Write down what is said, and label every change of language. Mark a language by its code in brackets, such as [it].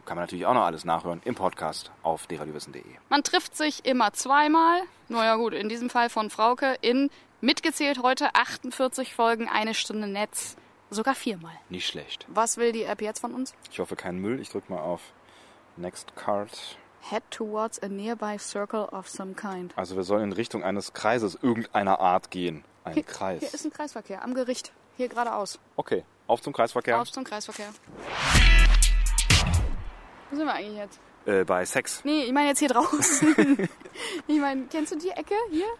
[de] Kann man natürlich auch noch alles nachhören im Podcast auf deradiowissen.de. Man trifft sich immer zweimal. Naja gut, in diesem Fall von Frauke in mitgezählt heute 48 Folgen Eine Stunde Netz. Sogar viermal. Nicht schlecht. Was will die App jetzt von uns? Ich hoffe keinen Müll. Ich drück mal auf Next Card. [en] Head towards a nearby circle of some kind. [de] Also wir sollen in Richtung eines Kreises irgendeiner Art gehen. Ein hier, Kreis. Hier ist ein Kreisverkehr am Gericht. Hier geradeaus. Okay, auf zum Kreisverkehr. Auf zum Kreisverkehr. Wo sind wir eigentlich jetzt? Bei Sex. Nee, ich meine jetzt hier draußen. Ich meine, kennst du die Ecke hier?